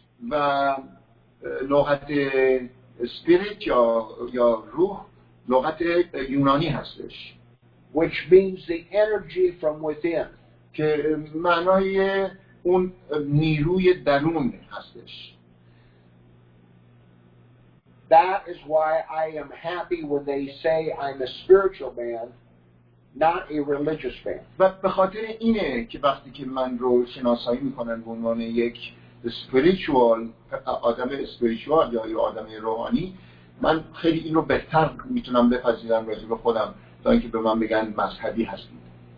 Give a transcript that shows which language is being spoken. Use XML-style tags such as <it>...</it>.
<fa>و لغت spirit یا روح لغت یونانی هستش.</fa> <en>Which means the energy from within.</en> <fa>که معنای اون نیروی درون هستش.</fa> <en>That is why I am happy when they say I'm a spiritual man. Not a religious man.</en> <fa>و به خاطر اینه که وقتی که من رو شناسایی میکنن به عنوان یک spiritual آدم spiritual یا یک آدم روحانی، من خیلی اینو بهتر میتونم بپذیرم راجع به خودم تا اینکه به من بگن مذهبی هستید.</fa>